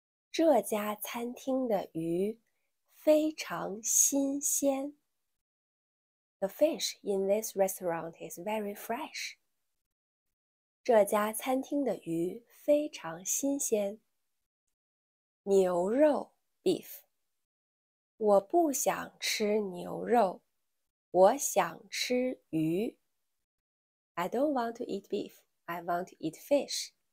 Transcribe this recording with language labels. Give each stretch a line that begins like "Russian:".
Chinese: 这家餐厅的鱼非常新鲜。
English: The fish in this restaurant is very fresh.
Chinese: 这家餐厅的鱼非常新鲜。牛肉 ,beef. 我不想吃牛肉,我想吃鱼。
English: I don't want to eat beef, I want to eat fish.